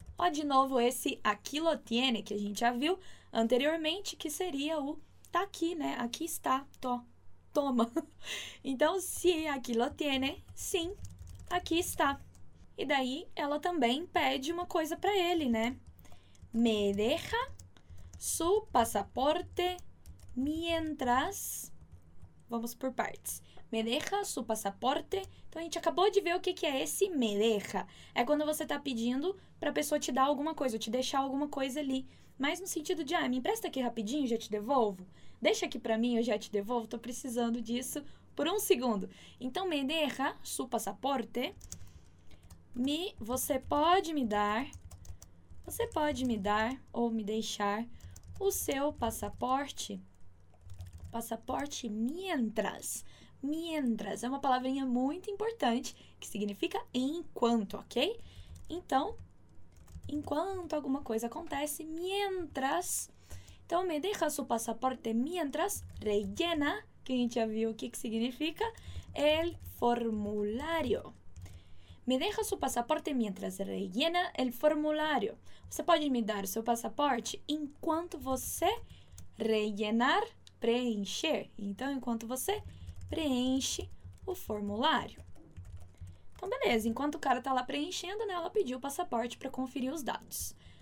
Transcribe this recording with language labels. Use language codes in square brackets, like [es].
[pt] Ó, de novo, esse aquí lo tiene que a gente já viu anteriormente, que seria o tá aqui, né? Aqui está, tó. Toma. Então, sim, aqui lo tiene. Sim, aqui está. E daí, ela também pede uma coisa para ele, né? [es] Me deja su pasaporte mientras. Vamos por partes. Me deja su pasaporte. [pt] Então, a gente acabou de ver o que que é esse me deja. É quando você está pedindo para a pessoa te dar alguma coisa, ou te deixar alguma coisa ali. Mas no sentido de, ah, me empresta aqui rapidinho, já te devolvo. Deixa aqui para mim, eu já te devolvo. Tô precisando disso por um segundo. Então, me deja su passaporte. Você pode me dar. Você pode me dar ou me deixar o seu passaporte. Passaporte mientras. Mientras é uma palavrinha muito importante que significa enquanto, ok? Então, enquanto alguma coisa acontece, mientras. Então, me deja su pasaporte mientras rellena, que a gente já viu o que que significa, el formulario. [es] Me deja su pasaporte mientras rellena el formulario. [pt] Você pode me dar seu passaporte enquanto você rellenar, preencher. Então, enquanto você preenche o formulário. Então, beleza. Enquanto o cara tá lá preenchendo, né, ela pediu o passaporte para conferir os dados.